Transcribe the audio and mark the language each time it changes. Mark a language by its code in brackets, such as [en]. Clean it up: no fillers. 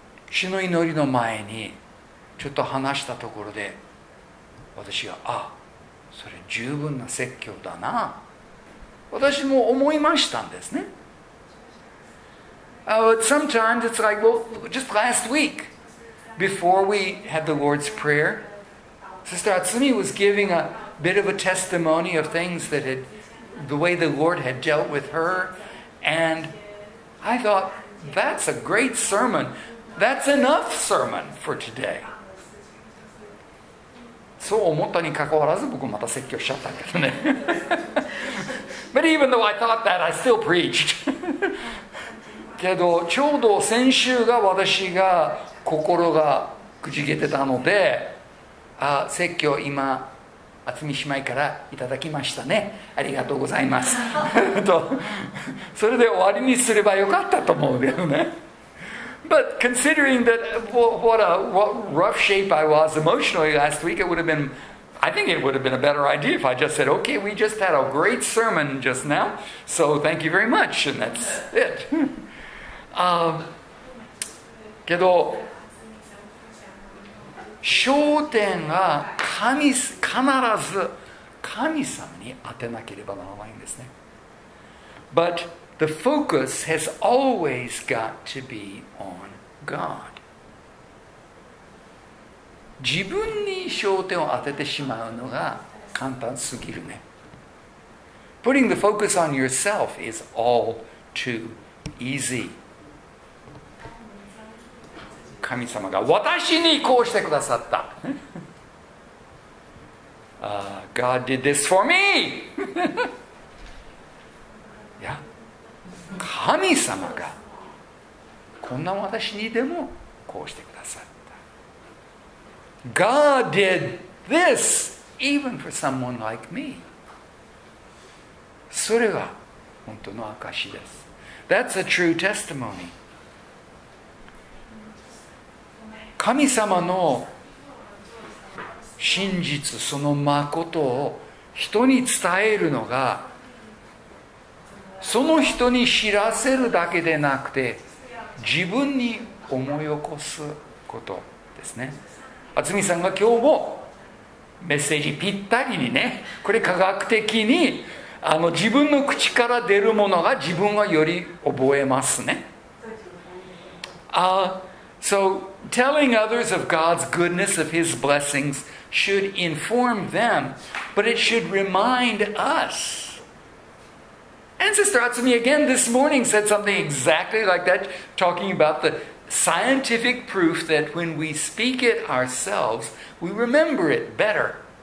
[ja] 主の祈りの前にちょっと話したところで、私が、あ、それ十分な説教だな、私も思いましたんですね。 [en] Sometimes it's like, well, just last week, before we had the Lord's Prayer, Sister Atsumi was giving a bit of a testimony of things that had, the way the Lord had dealt with her, and I thought, that's a great sermon. That's enough sermon for today. [ja] そう思ったにかかわらず、僕もまた説教しちゃったけどね。 [en] But even though I thought that, I still preached. [ja] けどちょうど先週が私が心がくじけてたので、あ、説教今渥美姉妹からいただきましたね、ありがとうございますとそれで終わりにすればよかったと思うけどね。 [en] But considering that what rough shape I was emotionally last week, I think it would have been a better idea if I just said, okay, we just had a great sermon just now, so thank you very much, and that's it. [ja] けど焦点が神、必ず神様に当てなければならないんですね。 [en] But the focus has always got to be on God. [ja] 自分に焦点を当ててしまうのが簡単すぎるね。 [en] Putting the focus on yourself is all too easy. [ja] 神様が私にこうしてくださった。 [en] God did this for me. [ja] いや、神様がこんな私にでもこうしてくださった。 [en] God did this even for someone like me. [ja] それが本当の証しです。 [en] That's a true testimony. [ja] 神様の真実、その誠を人に伝えるのが、その人に知らせるだけでなくて、自分に思い起こすことですね。渥美さんが今日もメッセージぴったりにね、これ科学的に、自分の口から出るものが自分はより覚えますね。 [en] So telling others of God's goodness, of His blessings, should inform them, but it should remind us. And Sister Atsumi again this morning said something exactly like that, talking about the scientific proof that when we speak it ourselves, we remember it better.